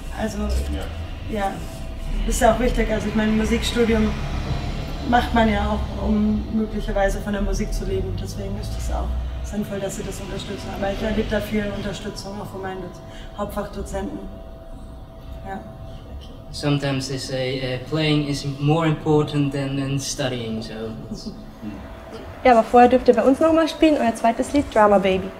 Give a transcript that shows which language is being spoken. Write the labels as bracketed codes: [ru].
[de] Also, ja. Ja. Ist ja auch wichtig. Also, ich meine, Musikstudium macht man ja auch, um möglicherweise von der Musik zu leben. Deswegen ist das auch sinnvoll, dass sie das unterstützen. Aber ich erlebe da viel Unterstützung auch von meinen Hauptfachdozenten. Ja. [en] Sometimes they say playing is more important than studying, so. [de] Ja, aber vorher dürft ihr bei uns nochmal spielen, euer zweites Lied, Drama Baby.